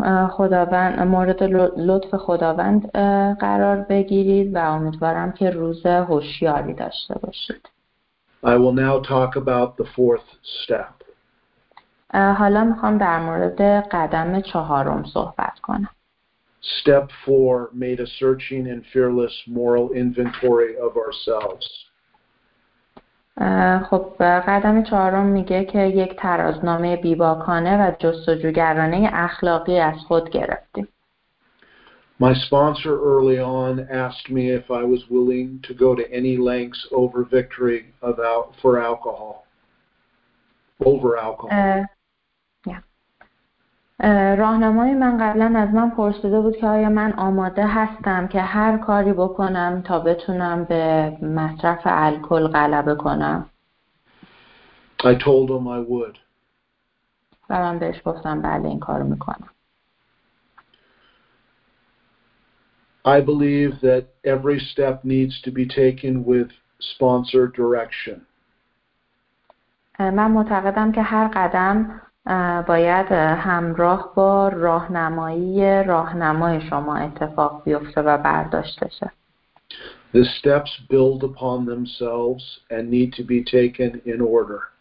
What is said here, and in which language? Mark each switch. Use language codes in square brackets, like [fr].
[fa] خداوند مورد لطف خداوند قرار بگیرید و امیدوارم که روز هوشیاری داشته باشید. [en] I will now talk about the fourth step. [fa] حالا میخوام در مورد قدم چهارم صحبت کنم. [en] Step 4 made a searching and fearless moral inventory of ourselves. [fa] خب قدم چهارم میگه که یک ترازنامه بیباکانه و جستجوگرانه اخلاقی از خود گرفتیم. [en] My sponsor early on asked me if I was willing to go to any lengths over victory for alcohol. Over alcohol. [fa] راهنمای من قبلا از من پرسیده بود که آیا من آماده هستم که هر کاری بکنم تا بتونم به مصرف الکل غلبه کنم. [en] I told him I would. [fa] و من بهش گفتم بله این کارو میکنم. [en] I believe that every step needs to be taken with sponsor direction. [fa] من معتقدم که هر قدم باید همراه با راهنمایی راهنمای شما اتفاق بیفته و برداشته شه. [en] The steps build upon themselves and need to be taken in order.